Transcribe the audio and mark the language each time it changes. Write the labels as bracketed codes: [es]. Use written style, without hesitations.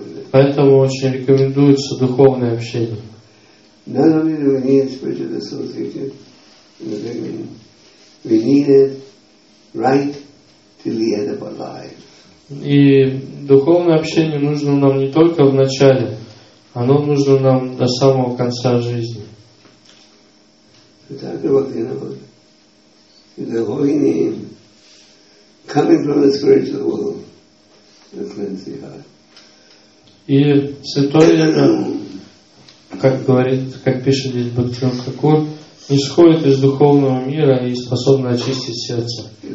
[ru] Поэтому очень рекомендуется духовное общение. [en] Not only do we need spiritual association in the beginning, we need it right till the end of our life. [ru] И духовное общение нужно нам не только в начале, оно нужно нам до самого конца жизни. [en] The holy name coming from the spiritual world. [ru] И святое имя, как говорит, как пишет здесь Бхактивинода Тхакур, исходит из духовного мира и способно очистить сердце.